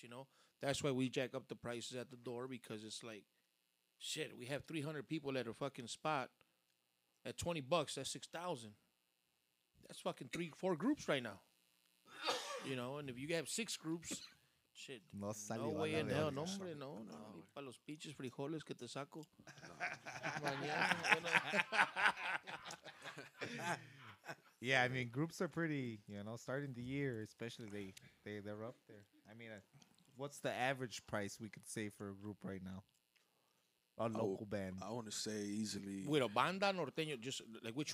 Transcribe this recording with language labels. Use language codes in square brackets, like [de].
[en] You know, that's why we jack up the prices at the door, because it's like, shit, we have 300 people at a fucking spot at $20. That's 6,000. That's fucking 3-4 groups right now. You know, and if you have 6 groups, shit, no, no way in hell, [es] no, hombre, no, no, para los pinches frijoles que te saco. [en] Yeah, I mean, groups are pretty, you know, starting the year, especially they're up there. I mean, what's the average price we could say for a group right now? A local band. I want to say easily. With a banda, norteño, just like which